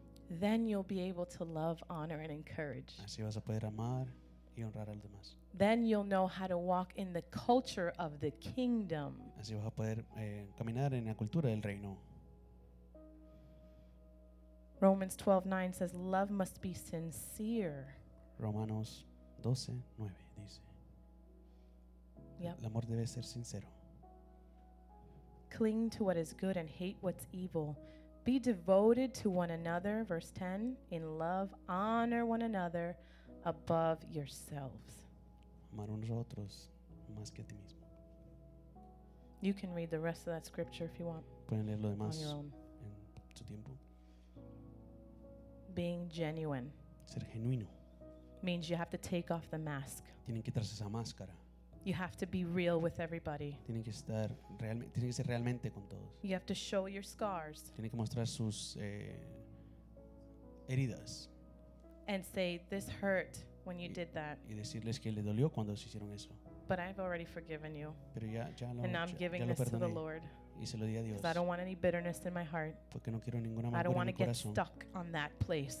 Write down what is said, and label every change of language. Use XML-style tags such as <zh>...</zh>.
<en>Then you'll be able to love, honor, and encourage.</en> <es>Así vas a poder amar. Y honrar a los demás.</es> <en>Then you'll know how to walk in the culture of the kingdom.</en> <es>Así vas a poder caminar en la cultura del reino.</es> <en>Romans 12:9 says love must be sincere.</en> <es>Romanos 12:9 dice.</es> <en>Yep.</en> <es>El amor debe ser sincero.</es> <en>Cling to what is good and hate what's evil. Be devoted to one another, verse 10, in love honor one another. Above yourselves.</en> <es>Amar unos a otros más que a ti mismo.</es> <en>You can read the rest of that scripture if you want.</en> <es>Pueden leer lo demás en su tiempo.</es> <en>Being genuine.</en> <es>Ser genuino.</es> <en>Means you have to take off the mask.</en> <es>Tienen que quitarse esa máscara.</es> <en>You have to be real with everybody.</en> <es>Tienen que ser realmente con todos.</es> <en>You have to show your scars.</en> <es>Tienen que mostrar sus heridas.</es> <en>And say this hurt when you did that.</en> <es>Y decirles que le dolió cuando se hicieron eso.</es> <en>But I've already forgiven you.</en> <es>Pero ya lo,</es> <en>and I'm giving</en> <es>ya</es> <en>this to the Lord.</en> <es>Y se lo di a Dios.</es> <en>Because I don't want any bitterness in my heart.</en> <es>Porque no quiero ninguna amargura en mi corazón.</es> <en>I don't want to get stuck on that place.</en>